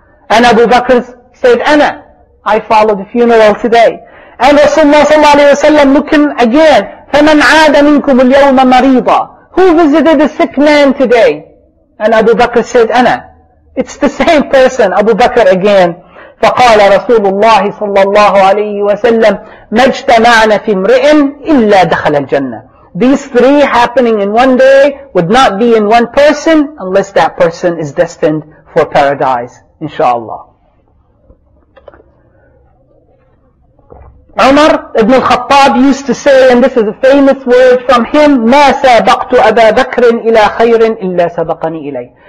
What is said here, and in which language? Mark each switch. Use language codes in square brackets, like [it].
[en] And Abu Bakr said, أَنَا. I followed the funeral today. And Rasulullah sallallahu alayhi wa sallam looking again, [ar] فَمَنْ عَادَ مِنْكُمُ الْيَوْمَ مَرِيضًا. [en] Who visited the sick man today? And Abu Bakr said, أَنَا. It's the same person, Abu Bakr again. [ar] فقال رسول الله صلى الله عليه وسلم ما اجتمعنا في امرئ إلا دخل الجنة. [en] These three happening in one day would not be in one person unless that person is destined for paradise, inshallah. Umar ibn al-Khattab used to say, and this is a famous word from him, [ar] ما سابقت أبا بكر إلى خير إلا سبقني إليه.